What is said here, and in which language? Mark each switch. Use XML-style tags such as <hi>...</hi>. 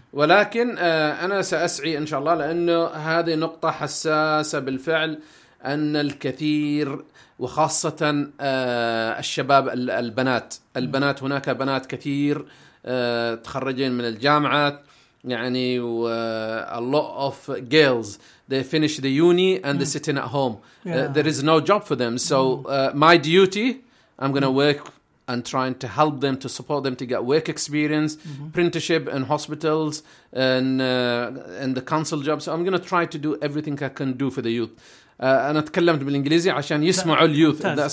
<ar>ولكن انا ساسعي ان شاء الله، لانه هذه نقطه حساسه بالفعل، ان الكثير وخاصه الشباب البنات، البنات هناك بنات كثير تخرجين من الجامعات، يعني</ar> <en>a lot of girls they finish the uni and they're sitting at home. There is no job for them. So my duty, I'm going to work and trying to help them, to support them to get work experience, apprenticeship in hospitals and in the council jobs. So I'm going to try to do everything I can do for the youth.</en> <ar>أنا تكلمت بالإنجليزي عشان يسمعوا اليوث.</ar>